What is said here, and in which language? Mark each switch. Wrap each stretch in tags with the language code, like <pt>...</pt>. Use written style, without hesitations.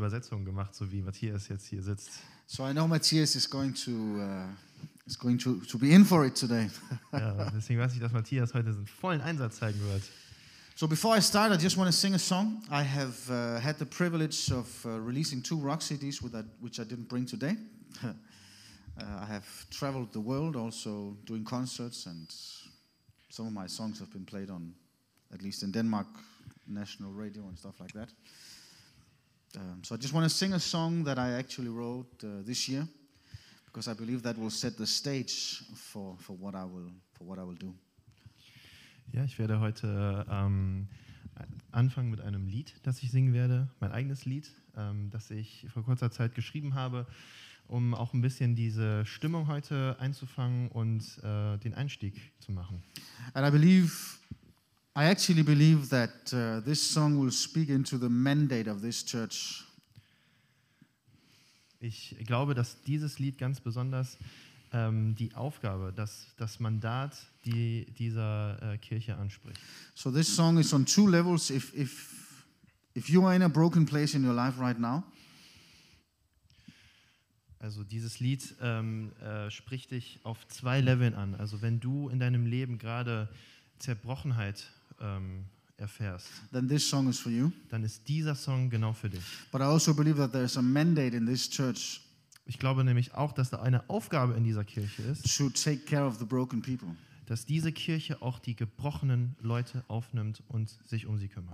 <de>Übersetzungen gemacht, so wie Matthias jetzt hier sitzt.</de> <en>So I know Matthias is going to be in for it today.</en> <de>Ja, deswegen weiß ich, dass Matthias heute seinen vollen Einsatz zeigen wird.</de> <en>So before I start, I just want to sing a song. I have had the privilege of releasing 2 rock CDs which I didn't bring today. I have traveled the world also doing concerts and some of my songs have been played on at least in Denmark, national radio and stuff like that. So I just want to sing a song that I actually wrote this year, because I believe that will set the stage for what I will do.</en> <de>Ja, ich werde heute anfangen mit einem Lied, das ich singen werde, mein eigenes Lied, das ich vor kurzer Zeit geschrieben habe, um auch ein bisschen diese Stimmung heute einzufangen und den Einstieg zu machen.</de> <en>And I actually believe that this song will speak into the mandate of this church.</en> <de>Ich glaube, dass dieses Lied ganz besonders die Aufgabe, das Mandat dieser Kirche anspricht.</de> <en>So this song is on 2 levels. If you are in a broken place in your life right now.</en> <de>Also dieses Lied spricht dich auf 2 Leveln an. Also wenn du in deinem Leben gerade Zerbrochenheit erfährst,</de> <en>then this song is for you.</en> <de>Dann ist dieser Song genau für dich.</de> <en>But I also believe that there is a mandate in this church.</en> <de>Ich glaube nämlich auch, dass da eine Aufgabe in dieser Kirche ist.</de> <en>To take care of the broken people.</en> <de>Dass diese Kirche auch die gebrochenen Leute aufnimmt und sich um sie kümmert.</de>